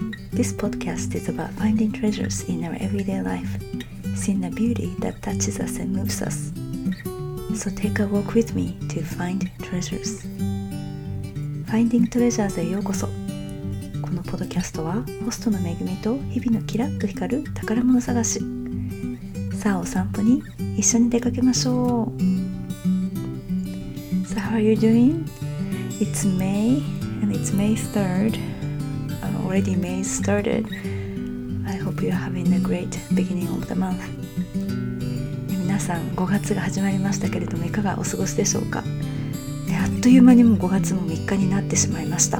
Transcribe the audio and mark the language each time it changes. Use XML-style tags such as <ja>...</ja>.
<en>This podcast is about finding treasures in our everyday life, seeing the beauty that touches us and moves us. So take a walk with me to find treasures.</en> <ja>Finding Treasures へようこそ。このポッドキャストは、ホストの Megumi と日々のキラッと光る宝物探し。さあお散歩に一緒に出かけましょう。</ja> <en>So how are you doing? It's May, and it's May 3rd. Already May started. I hope you're having a great beginning of the month.</en> <ja>皆さん、5月が始まりましたけれども、いかがお過ごしでしょうか。あっという間にも5月も3日になってしまいました。</ja>